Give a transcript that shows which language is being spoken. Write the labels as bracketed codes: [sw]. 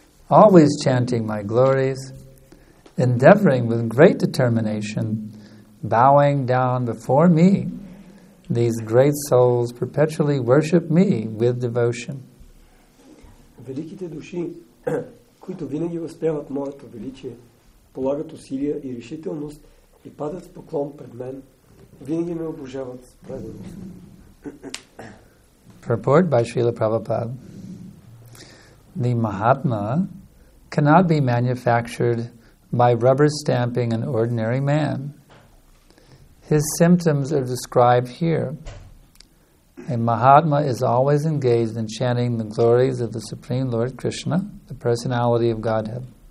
[en] Always chanting my glories, endeavoring with great determination, bowing down before me, these great souls perpetually worship me with devotion. [bg] Великите души, които винаги възпяват моето величие, полагат усилия и решителност и падат в поклон пред мен, винаги ме обожават с преданост. [en] Purport by Srila Prabhupada. The Mahatma cannot be manufactured by rubber stamping an ordinary man. His symptoms are described here. A Mahatma is always engaged in chanting the glories of the Supreme Lord Krishna, the personality of Godhead.